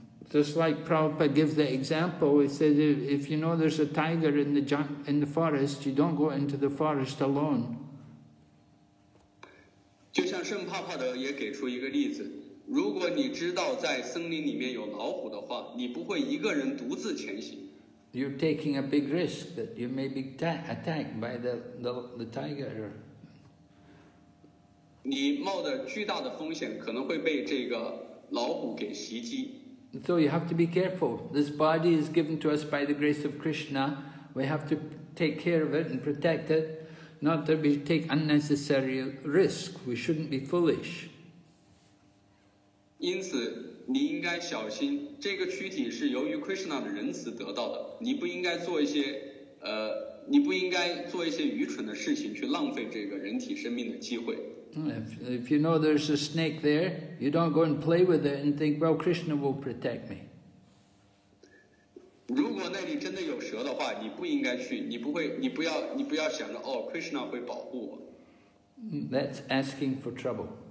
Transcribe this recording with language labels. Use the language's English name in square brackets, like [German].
[English] Just like Prabhupada gives the example, he says, if you know there's a tiger in the forest, you don't go into the forest alone. [Chinese] 就像圣帕帕德也给出一个例子，如果你知道在森林里面有老虎的话，你不会一个人独自前行。 [English] You're taking a big risk that you may be attacked by the tiger. [Chinese] 你冒着巨大的风险，可能会被这个老虎给袭击。 [English] So you have to be careful. This body is given to us by the grace of Krishna. We have to take care of it and protect it, not that we take unnecessary risk. We shouldn't be foolish. [Chinese] 因此，你应该小心。这个躯体是由于 Krishna 的仁慈得到的。你不应该做一些，你不应该做一些愚蠢的事情去浪费这个人体生命的机会。 [English] If you know there's a snake there, you don't go and play with it and think, well, Krishna will protect me. [Chinese] 如果那里真的有蛇的话，你不应该去，你不要想着哦 ，Krishna 会保护我。 [English] That's asking for trouble.